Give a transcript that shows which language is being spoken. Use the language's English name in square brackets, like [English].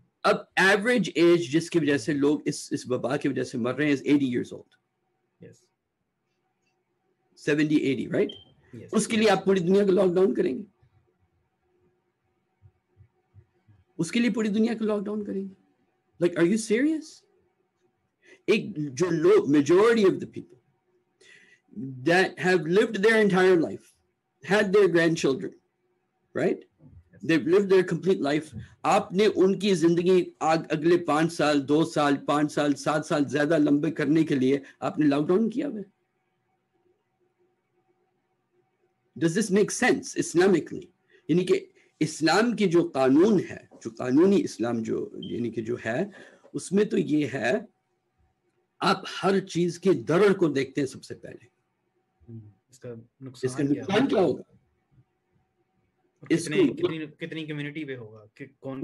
[Urdu] اب average age جس کی وجہ سے لوگ اس وبا کی وجہ سے مر رہے ہیں [English] 80 years old. Yes. 70, 80, right? Yes. [Urdu] اس کے لیے آپ پوری دنیا کو لاک ڈاؤن کریں گے, اس کے لیے پوری دنیا کو لاک ڈاؤن کریں گے, [English] like are you serious? [Urdu] ایک جو لوگ [English] majority of the people that have lived their entire life, had their grandchildren, right? They've lived their complete life. [Urdu] آپ نے ان کی زندگی اگلے پانچ سال, دو سال, پانچ سال, سات سال زیادہ لمبے کرنے کے لیے آپ نے لاک ڈاؤن کیا ہوئے. [English] Does this make sense Islamically? [Urdu] یعنی کہ اسلام کے جو قانون ہے, جو قانونی اسلام جو یعنی کہ جو ہے اس میں تو یہ ہے آپ ہر چیز کے ضرر کو دیکھتے ہیں سب سے پہلے, اس کا نقصان کیا ہوگا, کتنی کمیونٹی پہ ہوگا, کون